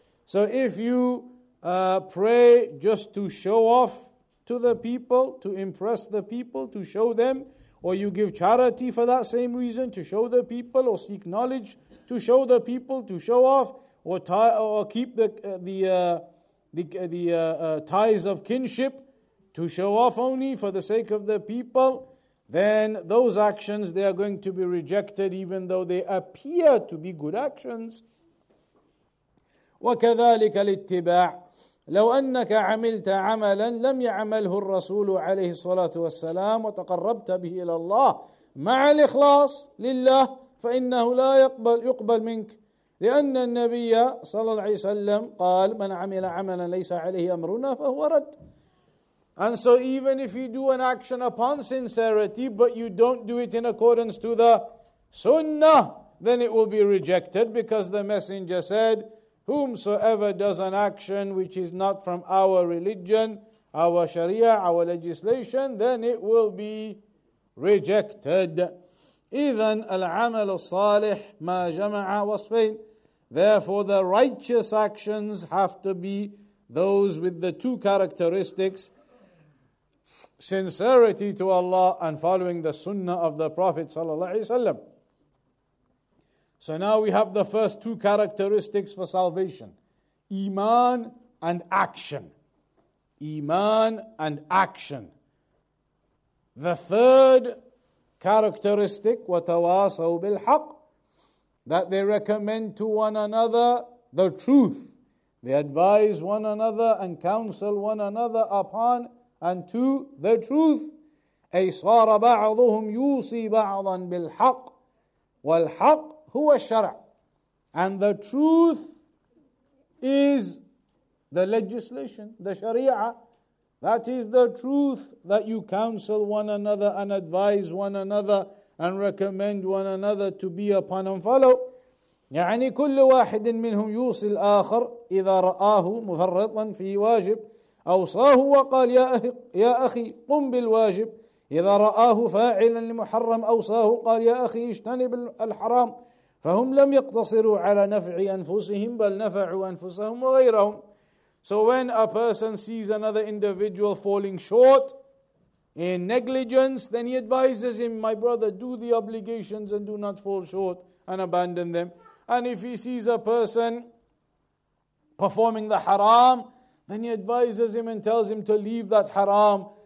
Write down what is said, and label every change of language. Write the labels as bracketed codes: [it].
[en] So if you pray just to show off to the people, to impress the people, to show them, or you give charity for that same reason, to show the people, or seek knowledge, to show the people, to show off, or keep the ties of kinship, to show off only for the sake of the people, then those actions, they are going to be rejected, even though they appear to be good actions. [ar] وكذلك الاتباع لو أنك عملت عملا لم يعمله الرسول عليه الصلاة والسلام وتقربت به إلى الله مع الإخلاص لله فإنه لا يقبل منك لأن النبي صلى الله عليه وسلم قال من عمل عملا ليس عليه أمرنا فهو رد. [en] And so even if you do an action upon sincerity but you don't do it in accordance to the sunnah, then it will be rejected, because the messenger said, whomsoever does an action which is not from our religion, our sharia, our legislation, then it will be rejected. [ar] إذن العمل الصالح ما جمع وصفين. [en] Therefore, the righteous actions have to be those with the two characteristics: sincerity to Allah and following the sunnah of the Prophet sallallahu alaihi wasallam. So now we have the first two characteristics for salvation: iman and action. Iman and action. The third characteristic, [ar] وَتَوَاصَوْا بِالْحَقِّ, [en] that they recommend to one another the truth. They advise one another and counsel one another upon and to the truth. [ar] أَيْصَارَ بَعْضُهُمْ يُوصِي بَعْضًا بِالْحَقِّ وَالْحَقِّ هُوَ الشَّرَعُ. [en] And the truth is the legislation, the sharia. That is the truth, that you counsel one another and advise one another and recommend one another to be upon and follow. [ar] يعني كل واحد منهم يوصي الآخر إذا رآه مفرطا في واجب أوصاه وقال يا أخي قم بالواجب إذا رآه فاعلا لمحرم أوصاه قال يا أخي اجتنب الحرام فهم لم يقتصروا على نفع أنفسهم بل نفعوا أنفسهم وغيرهم. [en] So when a person sees another individual falling short in negligence, then he advises him, my brother, do the obligations and do not fall short and abandon them. And if he sees a person performing the haram, then he advises him and tells him to leave that haram.